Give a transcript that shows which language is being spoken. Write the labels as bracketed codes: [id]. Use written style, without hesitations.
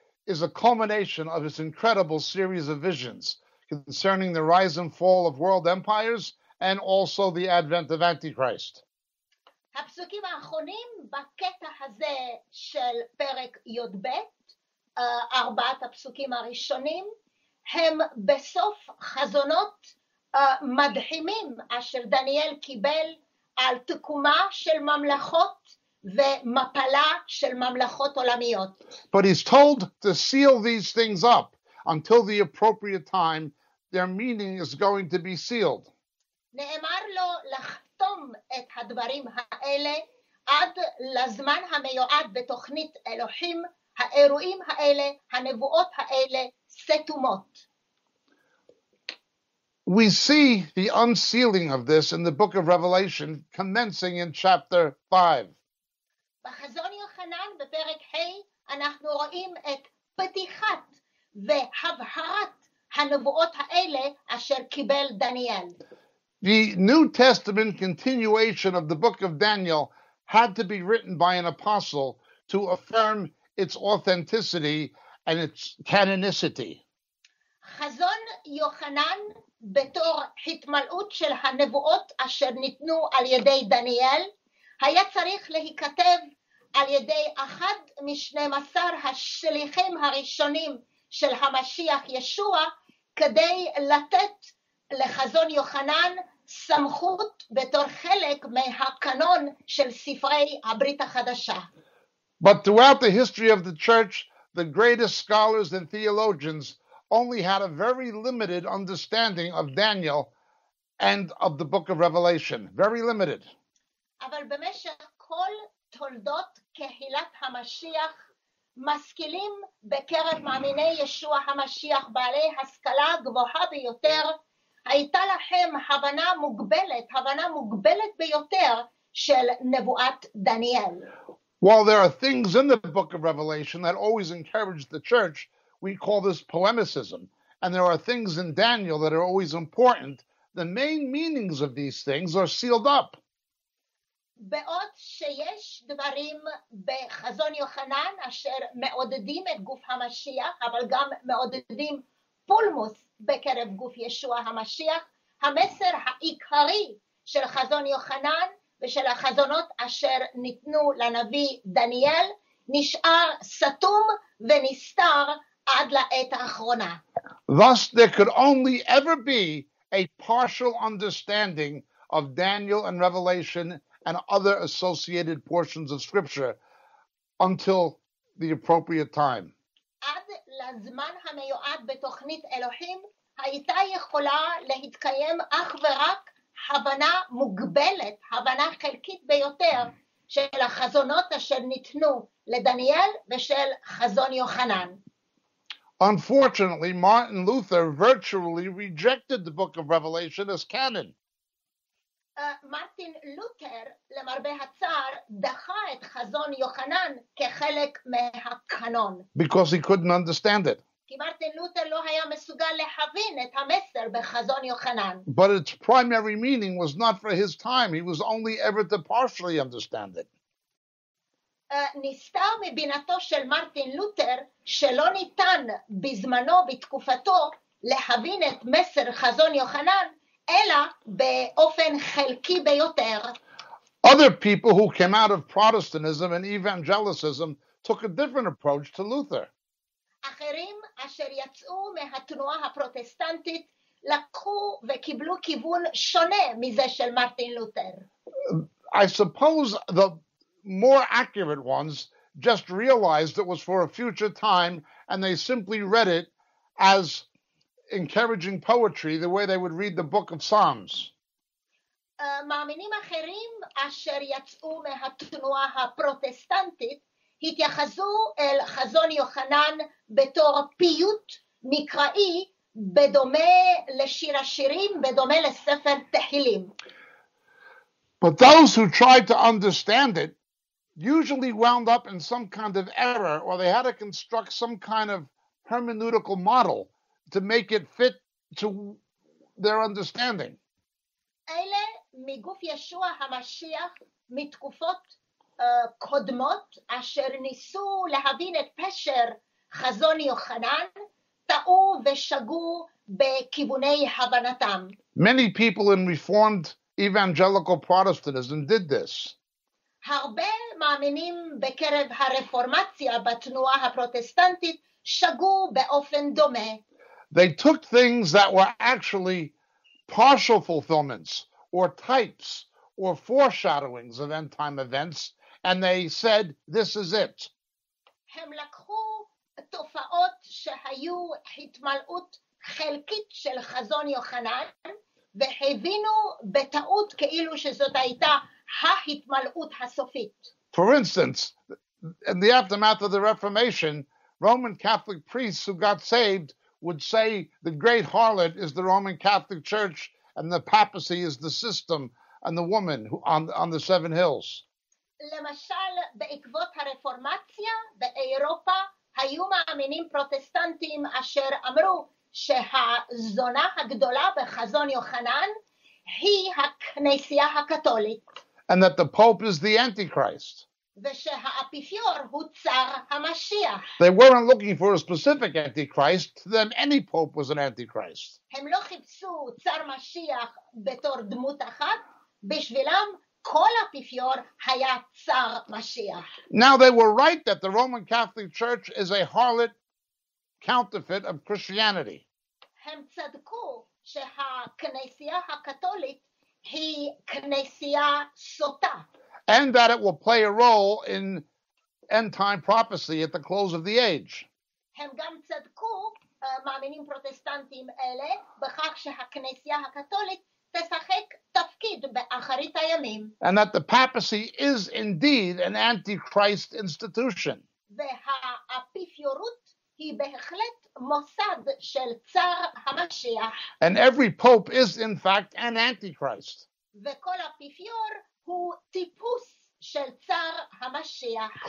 [en] is a culmination of his incredible series of visions concerning the rise and fall of world empires and also the advent of Antichrist. [he] הפסוקים האחרונים בקטע הזה של פרק י"ב, ארבעת הפסוקים הראשונים, הם בסוף חזונות מדהימים אשר דניאל קיבל על תקומה של ממלכות ומפלה של ממלכות עולמיות. [en] But he's told to seal these things up until the appropriate time their meaning is going to be sealed. [he] נאמר לו לחתום את הדברים האלה עד לזמן המיועד בתוכנית אלוהים, האירועים האלה, הנבואות האלה, סתומות. [en] We see the unsealing of this in the book of Revelation commencing in chapter 5. [he] בחזון יוחנן בפרק ה' אנחנו רואים את פתיחת והבהרת הנבואות האלה אשר קיבל דניאל. [en] The New Testament continuation of the book of Daniel had to be written by an apostle to affirm its authenticity and its canonicity. [he] חזון יוחנן בתור התמלאות של הנבואות אשר ניתנו על ידי דניאל היה צריך להיכתב על ידי אחד מ-12 השליחים הראשונים של המשיח ישוע כדי לתת לחזון יוחנן סמכות בתור חלק מהקנון של ספרי הברית החדשה. [en] But throughout the history of the church, the greatest scholars and theologians only had a very limited understanding of Daniel and of the book of Revelation. Very limited. [he] אבל במשך כל תולדות קהילת המשיח, משכילים בקרב מאמיני ישוע המשיח בעלי השכלה גבוהה ביותר, הייתה להם הבנה מוגבלת ביותר של נבואת דניאל. [en] While there are things in the book of Revelation that always encourage the church, we call this polemicism. And there are things in Daniel that are always important. The main meanings of these things are sealed up. [he] בעוד שיש דברים בחזון יוחנן אשר מעודדים את גוף המשיח, אבל גם מעודדים פולמוס בקרב גוף ישוע המשיח, המסר העיקרי של חזון יוחנן ושל החזונות אשר ניתנו לנביא דניאל נשאר סתום ונסתר עד לעת האחרונה. [en] Thus, there could only ever be a partial understanding of Daniel and Revelation and other associated portions of Scripture until the appropriate time. [he] עד לזמן המיועד בתוכנית אלוהים הייתה יכולה להתקיים אך ורק הבנה מוגבלת, הבנה חלקית ביותר של החזונות אשר ניתנו לדניאל ושל חזון יוחנן. [en] Unfortunately, Martin Luther virtually rejected the book of Revelation as canon. [he] Martin Luther, למרבה הצער, דחה את חזון יוחנן כחלק מהקנון. [en] Because he couldn't understand it. [he] כי מרטין לותר לא היה מסוגל להבין את המסר בחזון יוחנן. [en] But its primary meaning was not for his time. He was only ever to partially understand it. [he] נסתר מבינתו של מרטין לותר שלא ניתן בזמנו, בתקופתו, להבין את מסר חזון יוחנן, אלא באופן חלקי ביותר. [en] Other people who came out of Protestantism and Evangelicism took a different approach to Luther. [he] אחרים אשר יצאו מהתנועה הפרוטסטנטית לקחו וקיבלו כיוון שונה מזה של מרטין לותר. [en] I suppose the more accurate ones just realized it was for a future time and they simply read it as encouraging poetry the way they would read the book of Psalms. [he] מאמינים אחרים אשר יצאו מהתנועה הפרוטסטנטית התייחסו אל חזון יוחנן בתור פיוט מקראי בדומה לשיר השירים, בדומה לספר תהילים. [en] But those who tried to understand it usually wound up in some kind of error or they had to construct some kind of hermeneutical model to make it fit to their understanding. [he] אלה מגוף ישוע המשיח מתקופות קודמות אשר ניסו להבין את פשר חזון יוחנן טעו ושגו בכיווני הבנתם. [en] Many people in Reformed Evangelical Protestantism did this. [he] הרבה מאמינים בקרב הרפורמציה בתנועה הפרוטסטנטית שגו באופן דומה. [en] They took things that were actually partial fulfillments or types or foreshadowings of end time events and they said, this is it. [he] הם לקחו תופעות שהיו התמלאות חלקית של חזון יוחנן והבינו בטעות כאילו שזאת הייתה ההתמלאות הסופית. [en] For instance, in the aftermath of the Reformation, Roman Catholic priests who got saved would say the great harlot is the Roman Catholic Church and the papacy is the system and the woman who, on the seven hills. [he] למשל, בעקבות הרפורמציה באירופה, היו מאמינים פרוטסטנטים אשר אמרו שהזונה הגדולה בחזון יוחנן היא הכנסייה הקתולית. [en] And that the Pope is the Antichrist. [he] ושהאפיפיור הוא צר המשיח. [en] They weren't looking for a specific Antichrist. To them, any Pope was an Antichrist. [he] הם לא חיפשו צר משיח בתור דמות אחת. בשבילם, כל אפיפיור היה צר משיח. [en] Now, they were right that the Roman Catholic Church is a harlot counterfeit of Christianity. [he] הם צדקו שהכנסייה הקתולית היא כנסייה סוטה. [en] And that it will play a role in end time prophecy at the close of the age. [he] הם גם צדקו, מאמינים פרוטסטנטים אלה, בכך שהכנסייה הקתולית תשחק תפקיד באחרית הימים. [en] And that the papacy is indeed an antichrist institution. [he] והאפיפיורות היא בהחלט מוסד של צר המשיח. [en] And every pope is in fact an antichrist. [he] וכל אפיפיור הוא טיפוס של צר המשיח.